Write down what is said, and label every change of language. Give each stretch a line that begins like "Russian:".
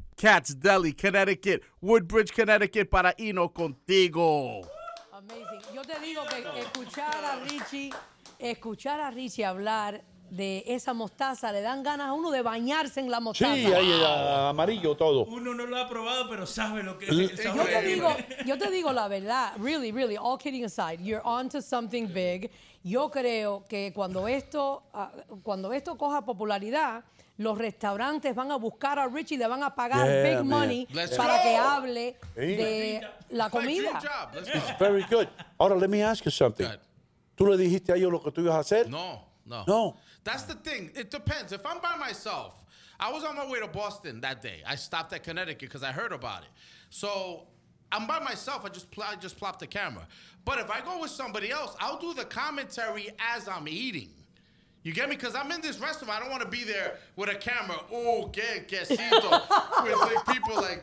Spanish: Cats Deli, Connecticut, Woodbridge, Connecticut, para irnos contigo. Amazing. Yo te digo que escuchar a Richie hablar de esa mostaza. Le dan ganas a uno de bañarse en la mostaza. Sí, ahí era amarillo todo. Uno no lo ha probado, pero sabe lo que es. Yo te digo la verdad.
English: Really, really, all kidding aside, you're on to something big.
Spanish: Yo creo que cuando esto coja popularidad, los restaurantes van a buscar a Richie y le van a pagar
English: big money
Spanish: para que hable de la comida.
English: It's very good.
Spanish: Ahora,
English: let me ask you something.
Spanish: ¿Tú le dijiste a ellos lo que tú ibas a hacer?
English: No. That's the thing. It depends. If I'm by myself, I was on my way to Boston that day. I stopped at Connecticut because I heard about it. So I'm by myself. I just plopped the camera. But if I go with somebody else, I'll do the commentary as I'm eating. You get me? Because I'm in this restaurant. I don't want to be there with a camera. Oh, quesito. With like people like.